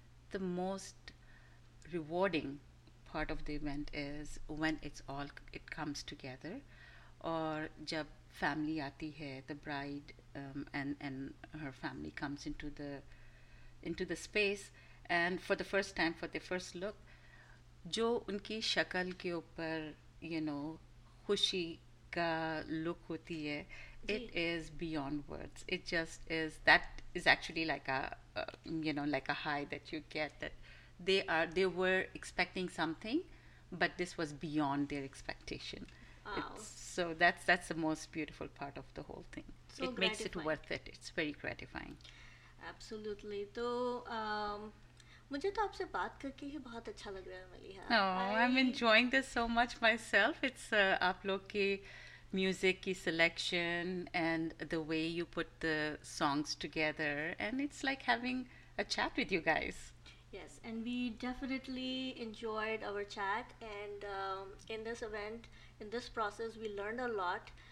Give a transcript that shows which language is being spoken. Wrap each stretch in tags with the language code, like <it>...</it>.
<en>The most rewarding part of the event is when it comes together, or</en> <hi>jab family aati hai,</hi> <en>the bride and her family comes into the space, and for the first time, for the first look,</en> <hi>jo unki shakal ke upar,</hi> <en>you know,</en> <hi>khushi ka look hoti hai,</hi> <en>it is beyond words. It just is. That is actually like a high that you get, that they were expecting something, but this was beyond their expectation. Wow. So that's the most beautiful part of the whole thing. So it gratifying. Makes it worth it. It's very gratifying. Absolutely.</en> <hi>So मुझे तो आपसे बात करके ही बहुत अच्छा लग रहा है</hi> <en>Maliha. Oh, I'm enjoying this so much myself. It's</en> <hi>आप लोग के</hi> <en>music ki selection and the way you put the songs together, and it's like having a chat with you guys. Yes, and we definitely enjoyed our chat, and in this event, in this process, we learned a lot.</en>